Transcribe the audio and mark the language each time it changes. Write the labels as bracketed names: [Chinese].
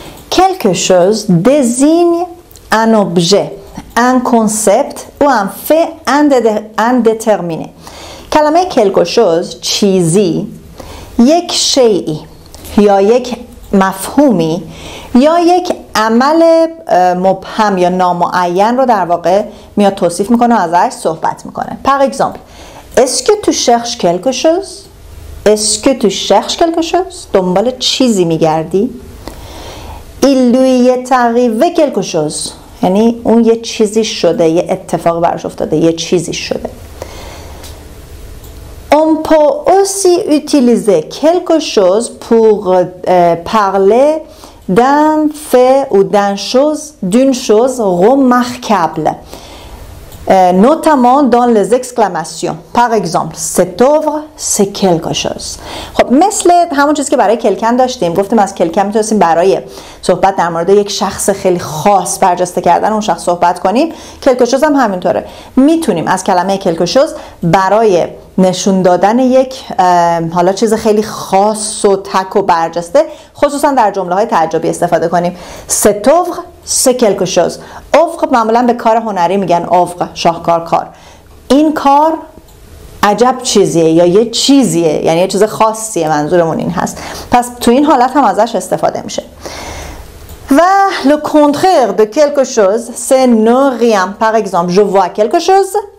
[French] Quelque chose désigne un objet, un concept ou un fait indéterminé. [Persian] کلمه quelque chose چیزی، یک شیء یا یک مفهومی یا یک عمل مبهم یا نامعین رو در واقع میاد توصیف میکنه و ازش صحبت میکنه. [French] Par exemple, est-ce que tu cherches quelque chose? Est-ce que tu cherches quelque chose? [Persian] دنبال چیزی میگردی؟ [French] Il lui est arrivé quelque chose. [Persian] یعنی اون یه چیزی شده، یه اتفاق براش افتاده، یه چیزی شده. [French] On peut aussi utiliser quelque chose pour parler d'un fait ou d'une chose remarquable. Notamment dans les exclamations. Par exemple, cet œuvre, c'est quelque chose. [Persian] خب مثل همون چیزی که برای کلکن داشتیم، گفتیم از کلکن میتونستیم برای صحبت در مورد یک شخص خیلی خاص برجسته کردن اون شخص صحبت کنیم. کلکو شوز هم همینطوره. میتونیم از کلمه کلکو شوز برای نشون دادن یک حالا چیز خیلی خاص و تک و برجسته، خصوصا در جمله های تعجبی استفاده کنیم. Cet œuvre, c'est quelque chose. œuvre معمولا به کار هنری میگن، œuvre شاهکار، کار. این کار عجب چیزیه یا یه چیزیه، یعنی یه چیز خاصیه، منظورمون این هست. پس تو این حالت هم ازش استفاده میشه. [French] و le contraire de quelque chose, c'est ne rien. Par exemple, je vois quelque chose.